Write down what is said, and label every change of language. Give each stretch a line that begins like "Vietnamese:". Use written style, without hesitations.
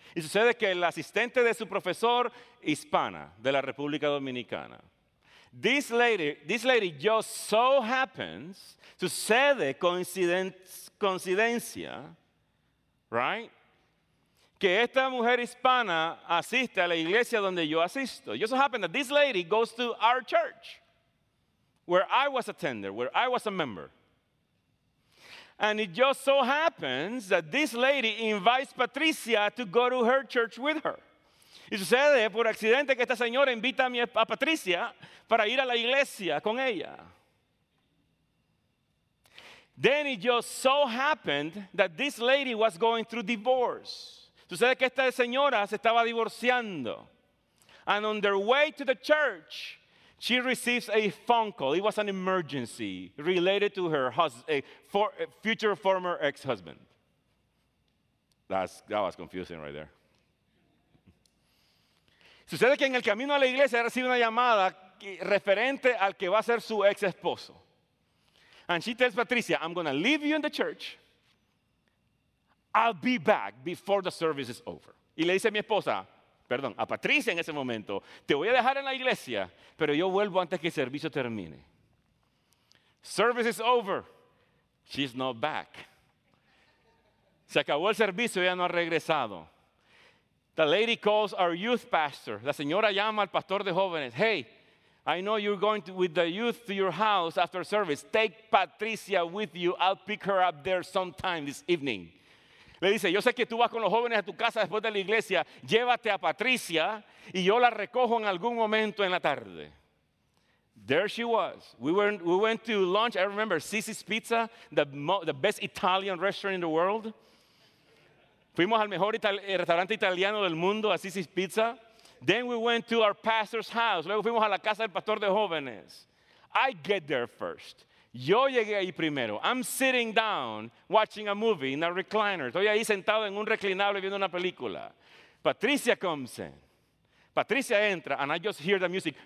Spanish: Y sucede que el asistente de su profesor, hispana, de la República Dominicana.
English: This lady just so happens,
Spanish: sucede coincidencia,
English: right?
Spanish: Que esta mujer hispana asiste a la iglesia donde yo asisto.
English: It just so happened that this lady goes to our church, where I was attender, where I was a member. And it just so happens that this lady invites Patricia to go to her church with her.
Spanish: Y sucede por accidente que esta señora invita a Patricia para ir a la iglesia con ella.
English: Then it just so happened that this lady was going through divorce.
Spanish: Sucede que esta señora se estaba divorciando.
English: And on their way to the church, she receives a phone call. It was an emergency related to her future former ex-husband. That was confusing right there.
Spanish: Sucede que en el camino a la iglesia recibe una llamada referente al que va a ser su ex-esposo.
English: And she tells Patricia, I'm going to leave you in the church. I'll be back before the service is over.
Spanish: Y le dice a mi esposa, perdón, a Patricia en ese momento, te voy a dejar en la iglesia, pero yo vuelvo antes que el servicio termine.
English: Service is over. She's not back.
Spanish: Se acabó el servicio, ella no ha regresado.
English: The lady calls our youth pastor.
Spanish: La señora llama al pastor de jóvenes.
English: Hey, I know you're going with the youth to your house after service. Take Patricia with you. I'll pick her up there sometime this evening.
Spanish: Le dice, yo sé que tú vas con los jóvenes a tu casa después de la iglesia. Llévate a Patricia y yo la recojo en algún momento en la tarde.
English: There she was. We went to lunch. I remember Sissy's Pizza, the best Italian restaurant in the world.
Spanish: Fuimos al mejor restaurante italiano del mundo, a Sissy's Pizza.
English: Then we went to our pastor's house.
Spanish: Luego fuimos a la casa del pastor de jóvenes.
English: I get there first.
Spanish: Yo llegué ahí primero.
English: I'm sitting down watching a movie in a recliner.
Spanish: Estoy ahí sentado en un reclinable viendo una película.
English: Patricia comes in. Patricia
Spanish: entra,
English: and I just hear the music.